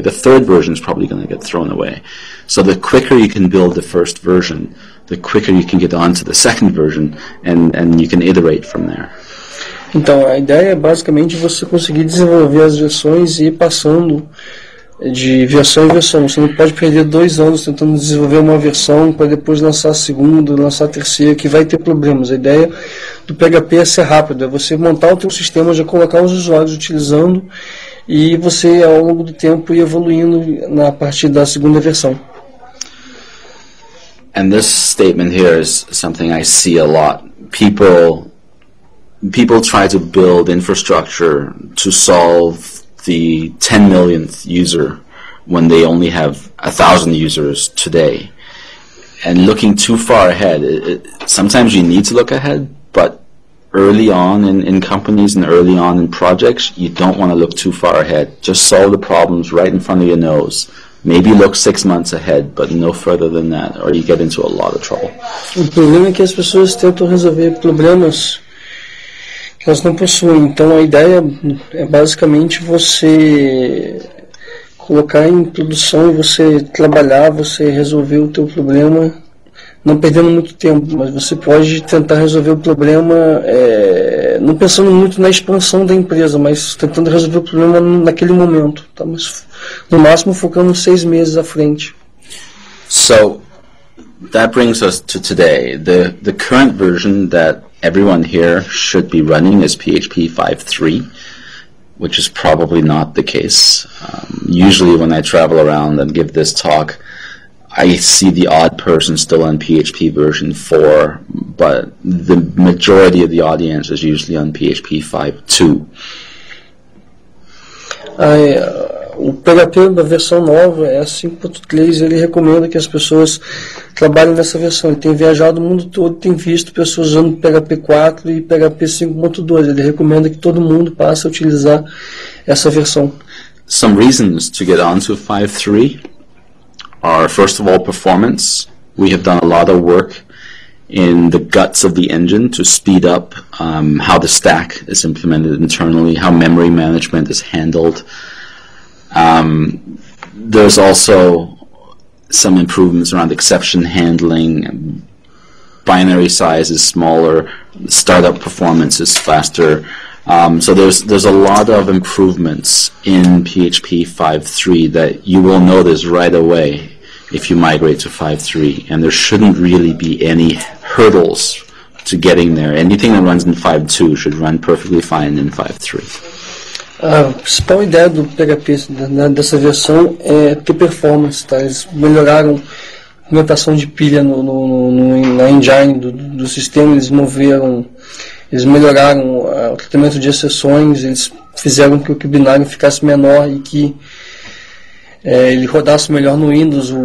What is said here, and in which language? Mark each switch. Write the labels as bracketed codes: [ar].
[en] The third version is probably going to get thrown away. So the quicker you can build the first version, the quicker you can get onto the second version, and you can iterate from there. [pt] Então, a ideia é basicamente você conseguir desenvolver as versões e ir passando de versão em versão. Você não pode perder 2 anos tentando desenvolver uma versão para depois lançar a segunda, lançar a terceira, que vai ter problemas. A ideia do PHP é ser rápido, é você montar o teu sistema, já colocar os usuários utilizando e você ao longo do tempo ir evoluindo na parte da segunda versão. [en] And this statement here is something I see a lot. People try to build infrastructure to solve the 10 millionth user when they only have 1,000 users today. And looking too far ahead, sometimes you need to look ahead, but early on in companies and early on in projects, you don't want to look too far ahead. Just solve the problems right in front of your nose. Maybe look 6 months ahead, but no further than that, or you get into a lot of trouble. [pt] O problema é que as pessoas tentam resolver problemas elas não possuem. Então a ideia é basicamente você colocar em produção, você trabalhar, você resolver o teu problema, não perdendo muito tempo, mas você pode tentar resolver o problema não pensando muito na expansão da empresa, mas tentando resolver o problema naquele momento, tá? Mas no máximo focando 6 meses à frente. [en] So, that brings us to today. The current version that everyone here should be running is PHP 5.3, which is probably not the case. Usually when I travel around and give this talk, I see the odd person still on PHP version 4, but the majority of the audience is usually on PHP 5.2. O PHP da versão nova é a 5.3, ele recomenda que as pessoas trabalhem nessa versão. Ele tem viajado o mundo todo, tem visto pessoas usando PHP 4 e PHP 5.2. Ele recomenda que todo mundo passe a utilizar essa versão. Some reasons to get onto 5.3 are, first of all, performance. We have done a lot of work in the guts of the engine to speed up how the stack is implemented internally, how memory management is handled. There's also some improvements around exception handling, binary size is smaller, startup performance is faster. So there's a lot of improvements in PHP 5.3 that you will notice right away if you migrate to 5.3, and there shouldn't really be any hurdles to getting there. Anything that runs in 5.2 should run perfectly fine in 5.3. [pt] A principal ideia do PHP dessa versão é ter performance, tá? Eles melhoraram a movimentação de pilha na engine do sistema, eles melhoraram o tratamento de exceções, eles fizeram que o binário ficasse menor e que ele rodasse melhor no Windows.